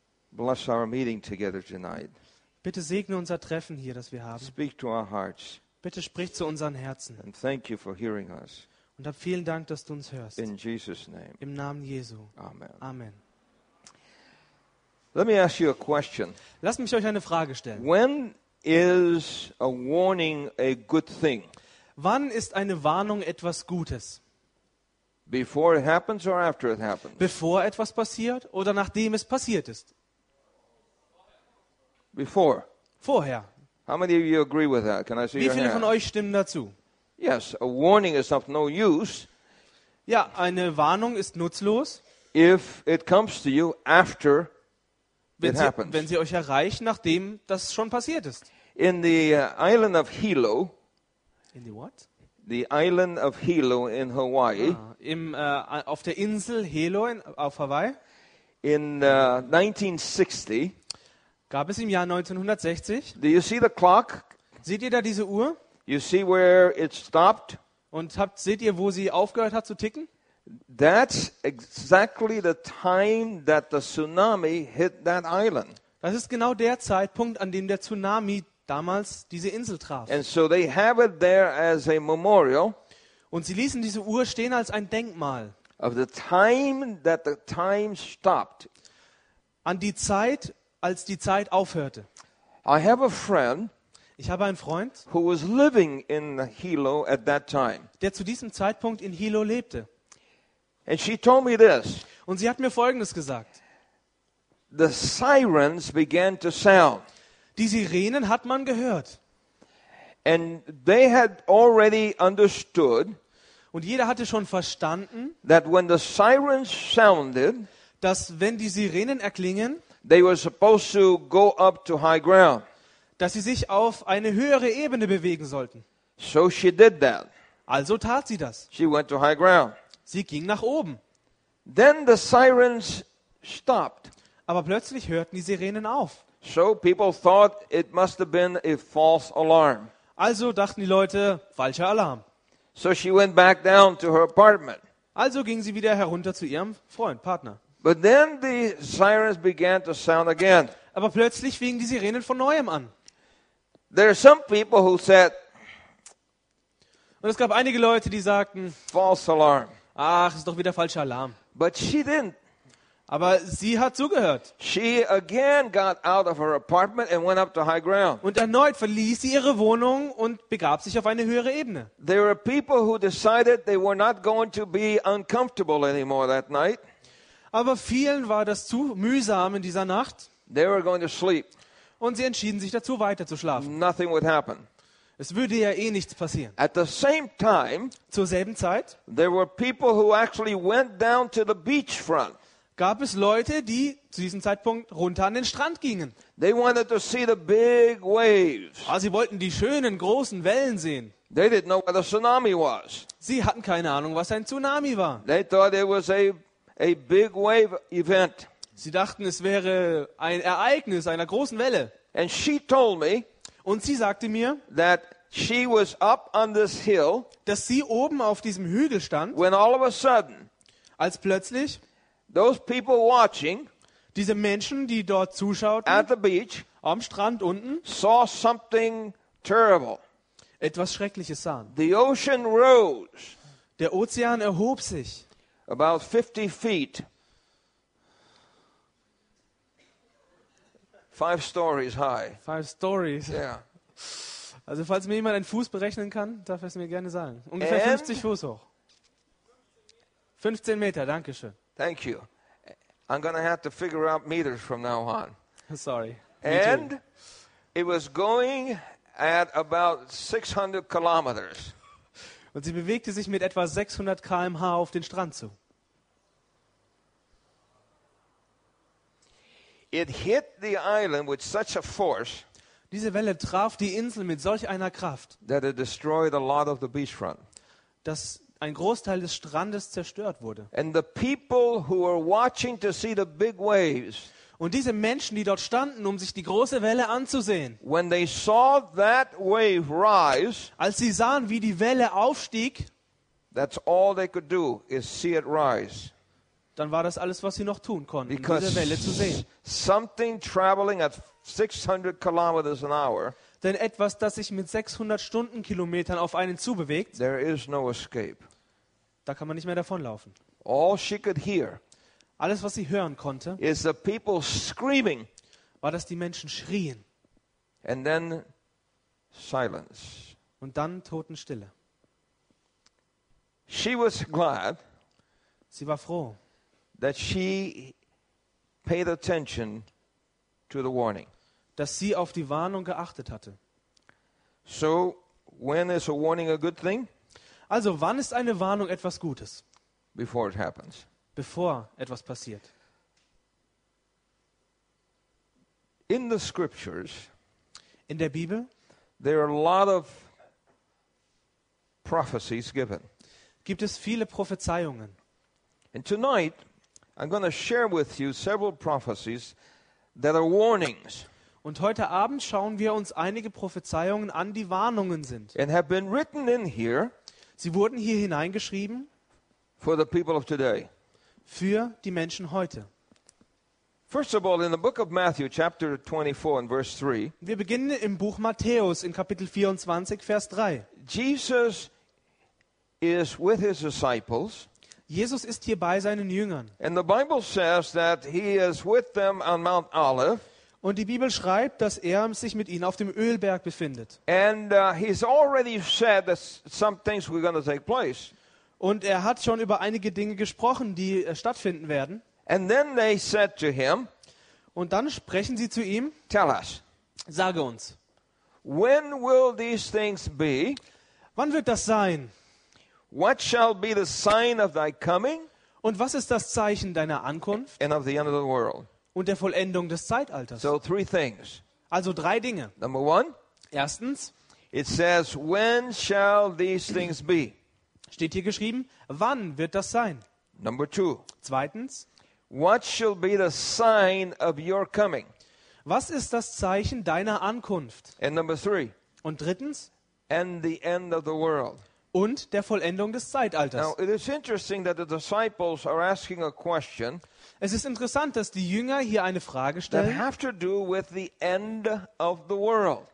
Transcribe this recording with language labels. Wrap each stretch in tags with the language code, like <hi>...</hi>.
<en>bless our meeting together tonight.</en> <de>Bitte segne unser Treffen hier, das wir haben.</de> <en>Speak to our hearts.</en> <de>Bitte sprich zu unseren Herzen.</de> <en>And thank you for hearing us.</en> <de>Und hab vielen Dank, dass du uns hörst.</de> <en>In Jesus' name.</en> <de>Im Namen Jesu.</de> <en>Amen.</en> <de>Amen.</de> <en>Let me ask you a question.</en> <de>Lass mich euch eine Frage stellen.</de> <en>When is a warning a good thing?</en> <de>Wann ist eine Warnung etwas Gutes?</de> <en>Before it happens or after it happens?</en> <de>Bevor etwas passiert oder nachdem es passiert ist?</de> <en>Before.</en> <de>Vorher.</de> <en>How many of you agree with that? Can I see</en> <de>Wie viele</de> <en>your hand?</en> <de>Von euch stimmen dazu?</de> <en>Yes, a warning is of no use.</en> <de>Ja, eine Warnung ist nutzlos.</de> <en>If it comes to you after</en> <de>wenn</de> <en>it</en> <de>sie,</de> <en>happens.</en> <de>Wenn sie euch erreicht, nachdem das schon passiert ist.</de> <en>In the island of Hilo. In the what? The island of Hilo in Hawaii. Ah,</en> <de>auf der Insel Hilo auf Hawaii.</de> <en>In 1960.</en> <de>Gab es im Jahr 1960.</de> <en>Do you see the clock?</en> <de>Seht ihr da diese Uhr?</de> <en>You see where it stopped?</en> <de>Und seht ihr, wo sie aufgehört hat zu ticken?</de> <en>That's exactly the time that the tsunami hit that island.</en> <de>Das ist genau der Zeitpunkt, an dem der Tsunami damals diese Insel traf.</de> <en>And so they have it there as a memorial.</en> <de>Und sie ließen diese Uhr stehen als ein Denkmal.</de> <en>Of the time that the time stopped.</en> <de>An die Zeit, als die Zeit aufhörte.</de> <en>I have a friend.</en> <de>Ich habe einen Freund,</de> <en>who was living in Hilo at that time.</en> <de>Der zu diesem Zeitpunkt in Hilo lebte.</de> <en>And she told me this.</en> <de>Und sie hat mir Folgendes gesagt.</de> <en>The sirens began to sound.</en> <de>Die Sirenen hat man gehört.</de> <en>And they had already understood.</en> <de>Und jeder hatte schon verstanden,</de> <en>that when the sirens sounded,</en> <de>dass wenn die Sirenen erklingen,</de> <en>they were supposed to go up to high ground.</en> <de>Dass sie sich auf eine höhere Ebene bewegen sollten.</de> <en>So she did that.</en> <de>Also tat sie das.</de> <en>She went to high ground.</en> <de>Sie ging nach oben.</de> <en>Then the sirens stopped.</en> <de>Aber plötzlich hörten die Sirenen auf.</de> <en>So people thought it must have been a false alarm.</en> <de>Also dachten die Leute, falscher Alarm.</de> <en>So she went back down to her apartment.</en> <de>Also ging sie wieder herunter zu ihrem Freund, Partner.</de> <en>But then the sirens began to sound again.</en> <de>Aber plötzlich fingen die Sirenen von neuem an.</de> <en>There are some people who said,</en> <de>und es gab einige Leute, die sagten,</de> <en>false alarm.</en> <de>Ach, ist doch wieder falscher Alarm.</de> <en>But she didn't.</en> <de>Aber sie hat zugehört.</de> <en>She again got out of her apartment and went up to high ground.</en> <de>Und erneut verließ sie ihre Wohnung und begab sich auf eine höhere Ebene.</de> <en>There were people who decided they were not going to be uncomfortable anymore that night.</en> <de>Aber vielen war das zu mühsam in dieser Nacht.</de> <en>They were going to sleep.</en> <de>Und sie entschieden sich dazu, weiter zu schlafen.</de> <en>Nothing would happen.</en> <de>Es würde ja eh nichts passieren.</de> <en>At the same time,</en> <de>zur selben Zeit,</de> <en>there were people who actually went down to the beachfront.</en> <de>Gab es Leute, die zu diesem Zeitpunkt runter an den Strand gingen.</de> <en>They wanted to see the big waves.</en> <de>Aber sie wollten die schönen großen Wellen sehen.</de> <en>They didn't know what a tsunami was.</en> <de>Sie hatten keine Ahnung, was ein Tsunami war.</de> <en>They thought it was a big wave event.</en> <de>Sie dachten, es wäre ein Ereignis einer großen Welle.</de> <en>And she told me,</en> <de>und sie sagte mir,</de> <en>that she was up on this hill,</en> <de>dass sie oben auf diesem Hügel stand,</de> <en>when all of a sudden,</en> <de>als plötzlich</de> <en>those people watching,</en> <de>diese Menschen, die dort zuschauten,</de> <en>at the beach,</en> <de>am Strand unten,</de> <en>saw something terrible.</en> <de>Etwas Schreckliches sahen.</de> <en>The ocean rose,</en> <de>der Ozean erhob sich</de> <en>about 50 feet. Five stories high. Five stories. Yeah.</en> <de>Also falls mir jemand einen Fuß berechnen kann, darf er es mir gerne sagen. Ungefähr 50 Fuß hoch. 15 Meter, danke schön.</de> <en>Thank you. I'm gonna have to figure out meters from now on. Sorry. And it was going at about 600 kilometers.</en> <de>Und sie bewegte sich mit etwa 600 km/h auf den Strand zu.</de> <en>It hit the island with such a force.</en> <de>Diese Welle traf die Insel mit solch einer Kraft,</de> <en>that it destroyed a lot of the beachfront.</en> <de>Dass ein Großteil des Strandes zerstört wurde.</de> <en>And the people who were watching to see the big waves.</en> <de>Und diese Menschen, die dort standen, um sich die große Welle anzusehen.</de> <en>When they saw that wave rise,</en> <de>als sie sahen, wie die Welle aufstieg,</de> <en>that's all they could do is see it rise.</en> <de>dann war das alles, was sie noch tun konnten, diese Welle zu sehen.</de> <en>Something traveling at 600 kilometers an hour.</en> <de>Denn etwas, das sich mit 600 Stundenkilometern auf einen zubewegt,</de> <en>there is no escape.</en> <de>Da kann man nicht mehr davonlaufen.</de> <en>All she could hear,</en> <de>alles, was sie hören konnte,</de> <en>is the people screaming.</en> <de>War, dass die Menschen schrien.</de> <en>And then silence.</en> <de>Und dann Totenstille.</de> <en>She was glad.</en> <de>Sie war froh.</de> <en>That she paid attention to the warning.</en> <de>Dass sie auf die Warnung geachtet hatte.</de> <en>So, when is a warning a good thing?</en> <de>Also, wann ist eine Warnung etwas Gutes?</de> <en>Before it happens.</en> <de>Bevor etwas passiert.</de> <en>In the scriptures,</en> <de>in der Bibel,</de> <en>there are a lot of prophecies given.</en> <de>Gibt es viele Prophezeiungen?</de> <en>And tonight, I'm going to share with you several prophecies that are warnings.</en> <de>Und heute Abend schauen wir uns einige Prophezeiungen an, die Warnungen sind.</de> <en>And have been written in here.</en> <de>Sie wurden hier hineingeschrieben.</de> <en>For the people of today.</en> <de>Für die Menschen heute.</de> <en>First of all, in the book of Matthew, chapter 24 and verse 3.</en> <de>Wir beginnen im Buch Matthäus in Kapitel 24, Vers 3.</de> <en>Jesus is with his disciples.</en> <de>Jesus ist hier bei seinen Jüngern.</de> <en>And the Bible says that he is with them on Mount Olive.</en> <de>Und die Bibel schreibt, dass er sich mit ihnen auf dem Ölberg befindet.</de> <en>And he's already said that some things were going to take place.</en> <de>Und er hat schon über einige Dinge gesprochen, die stattfinden werden.</de> <en>And then they said to him,</en> <de>und dann sprechen sie zu ihm.</de> <en>Tell us.</en> <de>Sage uns.</de> <en>When will these things be?</en> <de>Wann wird das sein?</de> <en>What shall be the sign of thy coming?</en> <de>Und was ist das Zeichen deiner Ankunft?</de> <en>And of the end of the world.</en> <de>Und der Vollendung des Zeitalters.</de> <en>So three things.</en> <de>Also drei Dinge.</de> <en>Number one.</en> <de>Erstens.</de> <en>It says, when shall these things be?</en> <de>Steht hier geschrieben, wann wird das sein?</de> <en>Number two.</en> <de>Zweitens.</de> <en>What shall be the sign of your coming?</en> <de>Was ist das Zeichen deiner Ankunft?</de> <en>And number three.</en> <de>Und drittens.</de> <en>And the end of the world.</en> <de>Und der Vollendung des Zeitalters.</de> <en>Now it is interesting that the disciples are asking a question.</en> <de>Es ist interessant, dass die Jünger hier eine Frage stellen,</de> <en>that have to do with the end of the world.</en>